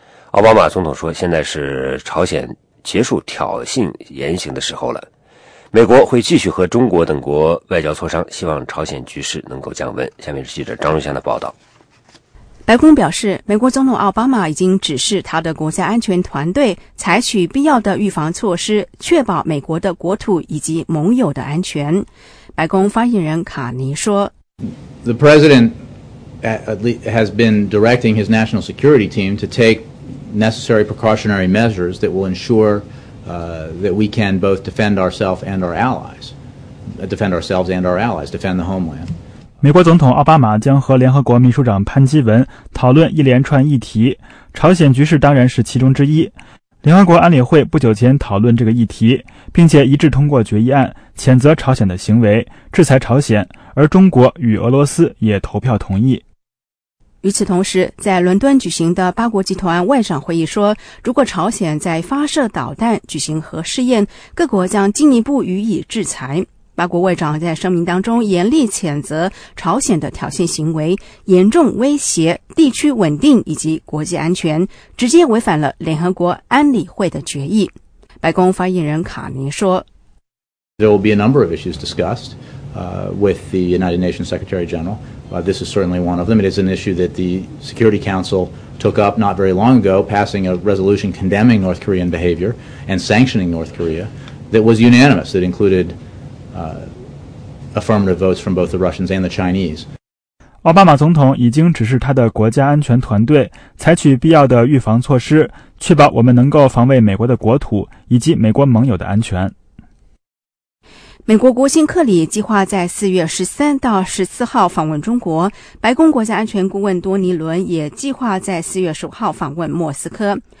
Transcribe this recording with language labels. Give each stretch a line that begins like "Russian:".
Chinese: 奥巴马总统说，现在是朝鲜结束挑衅言行的时候了，美国会继续和中国等国外交磋商，希望朝鲜局势能够降温。下面是记者张如祥的报道。白宫表示，美国总统奥巴马已经指示他的国家安全团队采取必要的预防措施，确保美国的国土以及盟友的安全。白宫发言人卡尼说，
English: The president has been directing his national security team to take necessary precautionary measures that will ensure that we can both defend ourselves and our allies, defend the homeland.
Chinese: 美国总统奥巴马将和联合国秘书长潘基文讨论一连串议题，朝鲜局势当然是其中之一。联合国安理会不久前讨论这个议题，并且一致通过决议案谴责朝鲜的行为，制裁朝鲜，而中国与俄罗斯也投票同意。与此同时，在伦敦举行的八国集团外长会议说，如果朝鲜在发射导弹、举行核试验，各国将进一步予以制裁。八国外长在声明当中严厉谴责朝鲜的挑衅行为，严重威胁地区稳定以及国际安全，直接违反了联合国安理会的决议。白宫发言人卡尼说
English: There will be a number of issues discussed with the United Nations Secretary General. This is certainly one of them. It is an issue that the Security Council took up not very long ago, passing a resolution condemning North Korean behavior and sanctioning North Korea that was unanimous, that included affirmative votes from both the Russians and the Chinese.
Chinese: 奥巴马总统已经指示他的国家安全团队采取必要的预防措施，确保我们能够防卫美国的国土以及美国盟友的安全。美国国务卿克里计划在4月13到14号访问中国，白宫国家安全顾问多尼伦也计划在4月15号访问莫斯科。